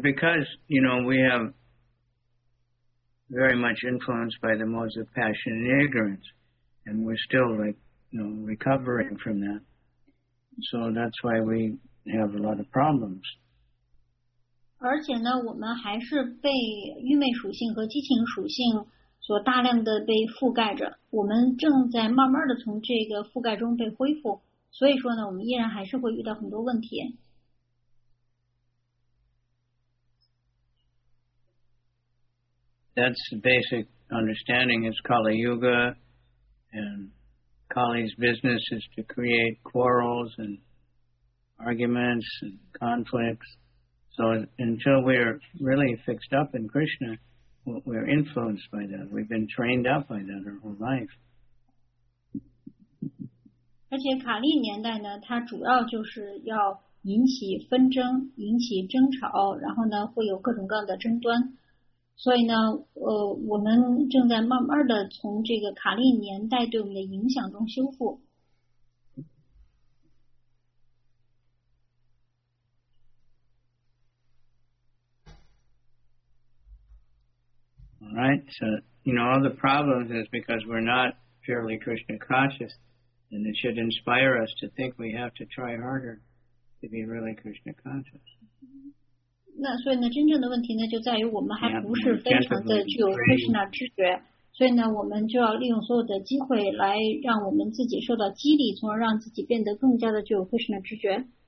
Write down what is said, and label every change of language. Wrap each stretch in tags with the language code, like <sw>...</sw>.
<en>because, you know, we have very much influenced by the modes of passion and ignorance, and we're still, like, you know, recovering from that. So that's why we have a lot of problems.</en> <zh>而且呢, 我们还是被愚昧属性和激情属性所大量的被覆盖着，我们正在慢慢的从这个覆盖中被恢复，所以说呢，我们依然还是会遇到很多问题。</zh> <en>That's the basic understanding is Kali Yuga, and Kali's business is to create quarrels and arguments and conflicts. So until we are really fixed up in Krishna, we are influenced by that. We've been trained up by that our whole life.</en> <zh>而且卡利年代呢，它主要就是要引起纷争，引起争吵，然后呢，会有各种各样的争端。所以呢，我们正在慢慢的从这个卡利年代对我们的影响中修复。</zh> <en>All right, so you know all the problems is because we're not purely Krishna conscious, and it should inspire us to think we have to try harder to be really Krishna conscious.</en> <zh>那所以呢，真正的问题呢，就在于我们还不是非常的具有 Krishna 知觉，所以呢，我们就要利用所有的机会来让我们自己受到激励，从而让自己变得更加的具有 Krishna 知觉。</zh>